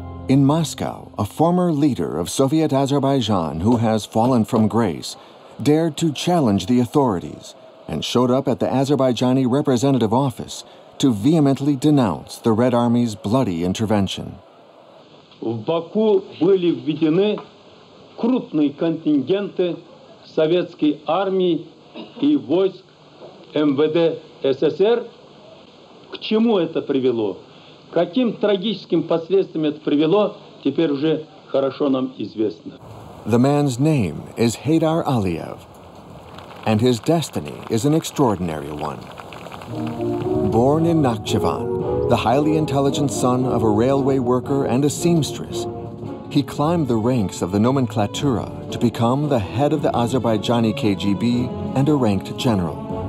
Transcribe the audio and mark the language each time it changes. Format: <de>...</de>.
<en>In Moscow, a former leader of Soviet Azerbaijan who has fallen from grace dared to challenge the authorities and showed up at the Azerbaijani representative office to vehemently denounce the Red Army's bloody intervention.</en> <ru>В Баку были введены крупные контингенты советской армии и войск МВД СССР. К чему это привело? К каким трагическим последствиям это привело, теперь уже хорошо нам известно.</ru> <en>The man's name is Heydar Aliyev, and his destiny is an extraordinary one. Born in Nakhchivan, the highly intelligent son of a railway worker and a seamstress, he climbed the ranks of the nomenklatura to become the head of the Azerbaijani KGB and a ranked general.</en>